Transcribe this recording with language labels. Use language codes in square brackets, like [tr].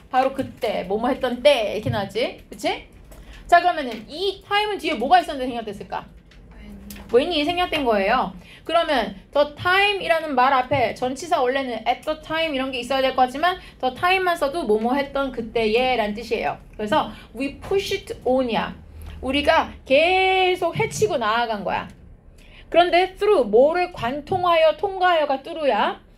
[ko] 바로 그때, 뭐뭐 했던 때 이렇게 나왔지? 그치? 자, 그러면은 이 time은 뒤에 뭐가 있었는데 생략됐을까? when이 생략된 거예요. 그러면 the time이라는 말 앞에 전치사 원래는 at the time 이런 게 있어야 될 것 같지만 the time만 써도 뭐뭐 했던 그때에 라는 뜻이에요. 그래서 [en] we pushed on이야. [ko] 우리가 계속 헤치고 나아간 거야. 그런데 through 뭐를 관통하여 통과하여가 through야.